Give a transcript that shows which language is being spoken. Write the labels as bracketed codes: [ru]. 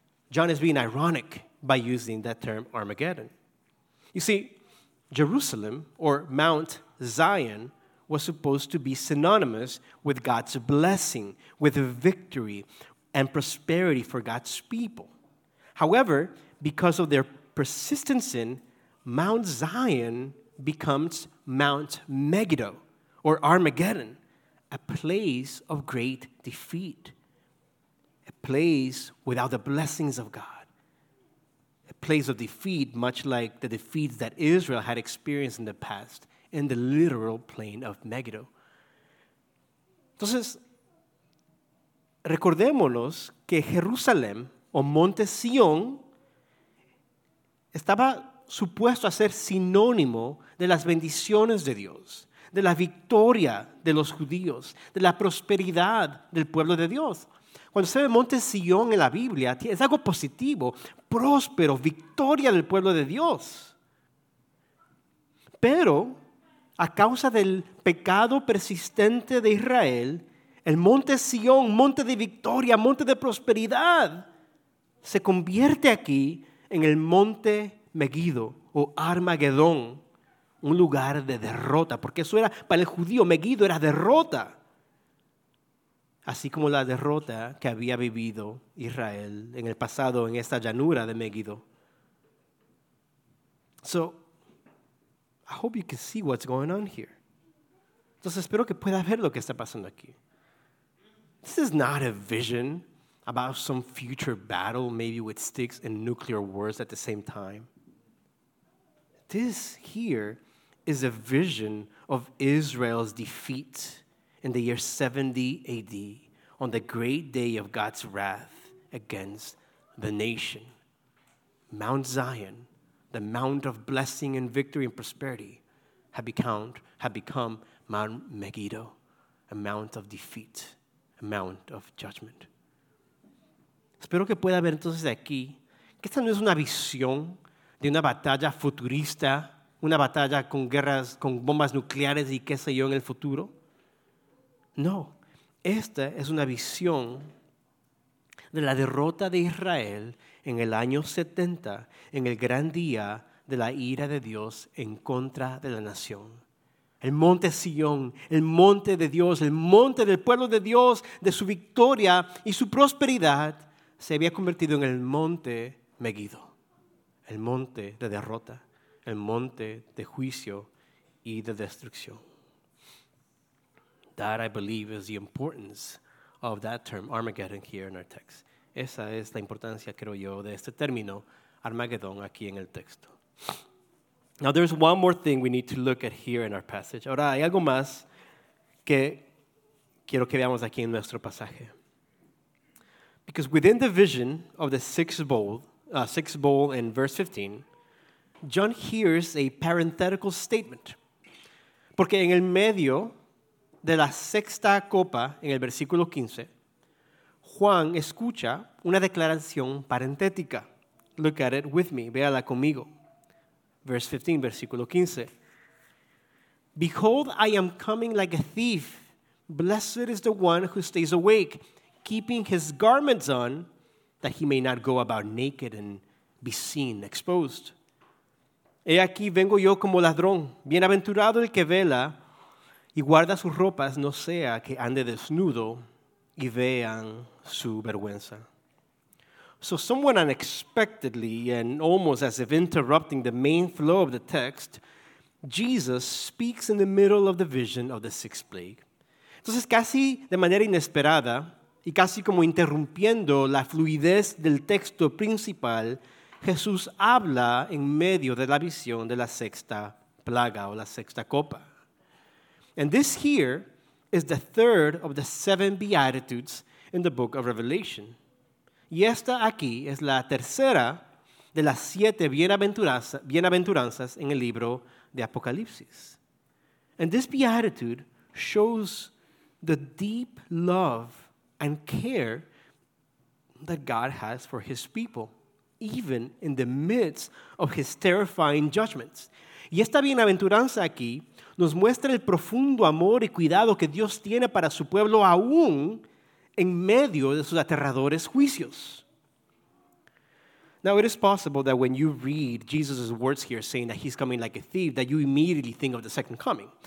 [en] John is being ironic by using that term, Armageddon. You see, Jerusalem, or Mount Zion, was supposed to be synonymous with God's blessing, with victory, and prosperity for God's people. However, because of their persistent sin, Mount Zion becomes Mount Megiddo, or Armageddon, a place of great defeat, a place without the blessings of God, a place of defeat, much like the defeats that Israel had experienced in the past in the literal plain of Megiddo. [es] Entonces, recordémonos que Jerusalén o Monte Sion estaba supuesto a ser sinónimo de las bendiciones de Dios, de la victoria de los judíos, de la prosperidad del pueblo de Dios. Cuando se ve Monte Sion en la Biblia, es algo positivo, próspero, victoria del pueblo de Dios. Pero a causa del pecado persistente de Israel, El monte Sion, monte de victoria, monte de prosperidad, se convierte aquí en el monte Megiddo o Armagedón, un lugar de derrota, porque eso era para el judío, Megiddo era derrota, así como la derrota que había vivido Israel en el pasado en esta llanura de Megiddo. [en] So, I hope you can see what's going on here. [es] Entonces, espero que puedas ver lo que está pasando aquí. [en] This is not a vision about some future battle, maybe with sticks and nuclear wars at the same time. This here is a vision of Israel's defeat in the year 70 AD on the great day of God's wrath against the nation. Mount Zion, the mount of blessing and victory and prosperity, had become Mount Megiddo, a mount of defeat, a mount of judgment. [es] Espero que pueda ver entonces aquí que esta no es una visión de una batalla futurista, una batalla con guerras, con bombas nucleares y qué sé yo en el futuro. No, esta es una visión de la derrota de Israel en el año 70, en el gran día de la ira de Dios en contra de la nación. El monte Sion, el monte de Dios, el monte del pueblo de Dios, de su victoria y su prosperidad, se había convertido en el monte Megiddo, el monte de derrota, el monte de juicio y de destrucción. [en] That, I believe, is the importance of that term, Armageddon, here in our text. [es] Esa es la importancia, creo yo, de este término, Armagedón, aquí en el texto. [en] Now, there's one more thing we need to look at here in our passage. [es] Ahora, hay algo más que quiero que veamos aquí en nuestro pasaje. [en] Because within the vision of the sixth bowl in verse 15, John hears a parenthetical statement. [es] Porque en el medio de la sexta copa, en el versículo 15, Juan escucha una declaración parentética. [en] Look at it with me. [es] Véala conmigo. [en] Verse 15, [es] versículo 15. [en] Behold, I am coming like a thief. Blessed is the one who stays awake, keeping his garments on, that he may not go about naked and be seen exposed. [es] He aquí, vengo yo como ladrón. Bienaventurado el que vela y guarda sus ropas, no sea que ande desnudo y vean su vergüenza. [en] So someone unexpectedly and almost as if interrupting the main flow of the text, Jesus speaks in the middle of the vision of the sixth plague. [es] Entonces, casi de manera inesperada y casi como interrumpiendo la fluidez del texto principal, Jesús habla en medio de la visión de la sexta plaga o la sexta copa. [en] And this here is the third of the seven Beatitudes in the book of Revelation. [es] Y esta aquí es la tercera de las siete bienaventuranzas en el libro de Apocalipsis. [en] And this beatitude shows the deep love and care that God has for his people, even in the midst of his terrifying judgments. [es] Y esta bienaventuranza aquí nos muestra el profundo amor y cuidado que Dios tiene para su pueblo aún en medio de sus aterradores juicios. [en] Now, it is possible that when you read Jesus' words here saying that he's coming like a thief, that you immediately think of the second coming.